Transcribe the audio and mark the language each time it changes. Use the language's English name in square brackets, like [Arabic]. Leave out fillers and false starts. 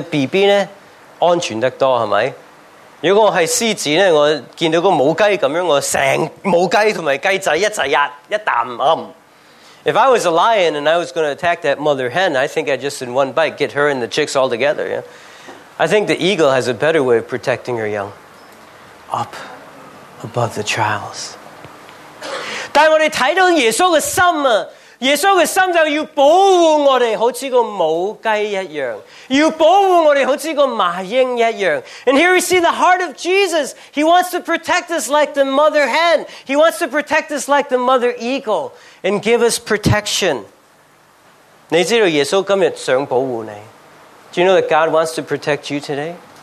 [Cantonese] 如果我是獅子，我看到個母雞這樣，我整母雞和雞仔一起壓一口。 [English] If I was a lion and I was going to attack that mother hen, I think I'd just in one bite get her and the chicks all together. Yeah? I think the eagle has a better way of protecting her young. Up above the trials. [Cantonese] 但我們看到耶穌的心，耶穌的心就要保護我們好像個母雞一樣，要保護我們好像個麻鷹一樣。 [English] And here we see the heart of Jesus. He wants to protect us like the mother hen. He wants to protect us like the mother eagle and give us protection. [Cantonese] 你知道耶穌今天想保護你？ [English] Do you know that God wants to protect you today?